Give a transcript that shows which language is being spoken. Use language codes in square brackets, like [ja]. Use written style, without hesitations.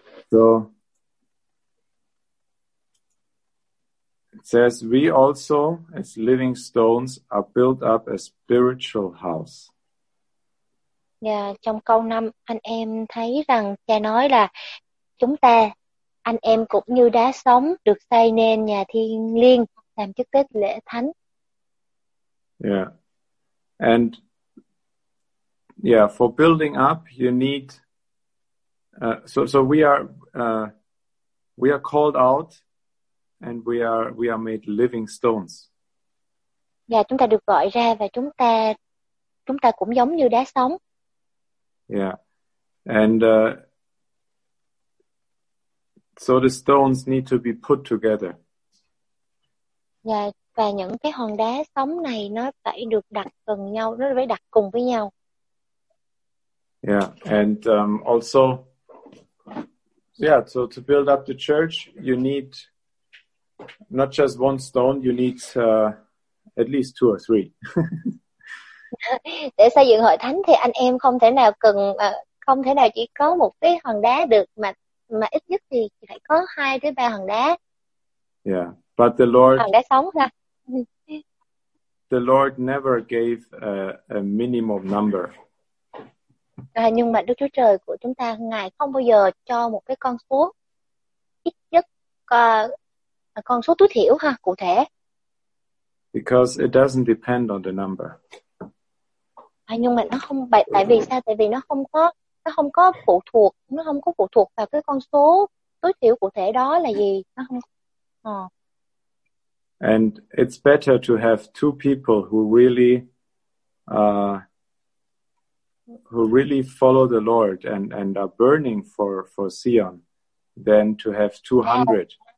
[en] So it says we also as living stones are built up a spiritual house. [vi] Yeah, trong câu 5 anh em thấy rằng cha nói là chúng ta anh em cũng như đá sống được xây nên nhà thiêng liêng làm chức tế lễ thánh. Yeah. [en] And yeah, for building up you need we are called out and we are made living stones. [vi] Yeah, chúng ta được gọi ra và chúng ta cũng giống như đá sống. Yeah. [en] And so the stones need to be put together. [vi] Yeah, và những cái hòn đá sống này nó phải được đặt cùng nhau, nó phải đặt cùng với nhau. [en] Yeah, and also yeah, so to build up the church, you need not just one stone, you need at least two or three. [vi] Để xây dựng hội thánh thì anh em không thể nào chỉ có một cái hòn đá được, mà ít nhất thì phải có 2-3 hòn đá. [en] Yeah, but the Lord [vi] hòn đá sống ha. [en] The Lord never gave a minimum number. [vi] À, nhưng mà Đức Chúa Trời của chúng ta, Ngài không bao giờ cho một cái con số ít nhất, con số tối thiểu ha, cụ thể. [en] Because it doesn't depend on the number. [vi] À, nhưng mà nó không, tại vì sao? Tại vì nó không có phụ thuộc vào cái con số tối thiểu cụ thể đó là gì. Nó không. [en] And it's better to have two people who really follow the Lord and are burning for Zion than to have 200.